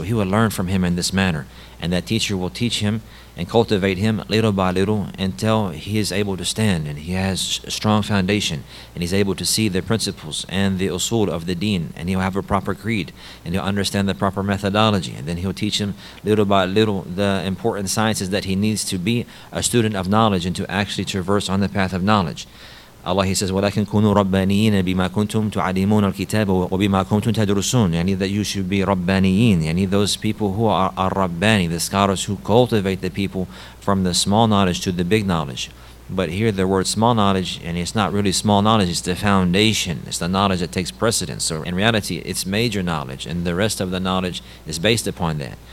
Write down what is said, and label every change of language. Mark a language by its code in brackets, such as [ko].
[en] So he will learn from him in this manner, and that teacher will teach him and cultivate him little by little until he is able to stand and he has a strong foundation and he's able to see the principles and the usul of the deen, and he'll have a proper creed and he'll understand the proper methodology. And then he'll teach him little by little the important sciences that he needs to be a student of knowledge and to actually traverse on the path of knowledge. Allah, he says, [ar] وَلَكِنْ كُنُوا رَبَّانِيِّينَ بِمَا كُنْتُمْ تُعَلِمُونَ الْكِتَابَ وَبِمَا كُنْتُمْ تَدْرُسُونَ. [en] Yani that you should be رَبَّانِيِّينَ, yani those people who are رَبَّانِي, the scholars who cultivate the people from the small knowledge to the big knowledge. But here the word small knowledge, and it's not really small knowledge, it's the foundation, it's the knowledge that takes precedence. So in reality, it's major knowledge, and the rest of the knowledge is based upon that.